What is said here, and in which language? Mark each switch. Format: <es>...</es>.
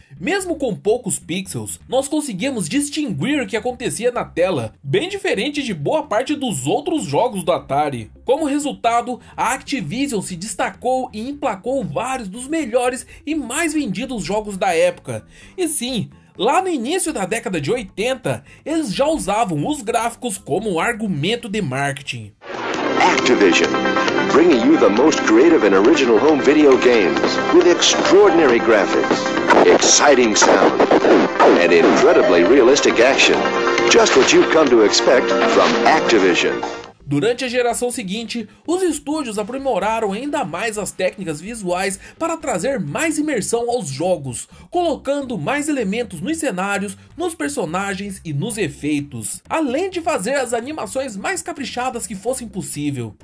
<pt>Mesmo com poucos pixels, nós conseguimos distinguir o que acontecia na tela, bem diferente de boa parte dos outros jogos do Atari. Como resultado, a Activision se destacou e emplacou vários dos melhores e mais vendidos jogos da época. E sim, lá no início da década de 80, eles já usavam os gráficos como um argumento de marketing.</pt> <en>Activision, bringing you the most creative and original home video games with extraordinary graphics. Exciting sound and incredibly realistic action. Just what you've come to expect from Activision.</en> <pt>Durante a geração seguinte, os estúdios aprimoraram ainda mais as técnicas visuais para trazer mais imersão aos jogos, colocando mais elementos nos cenários, nos personagens e nos efeitos, além de fazer as animações mais caprichadas que fossem possível.</pt>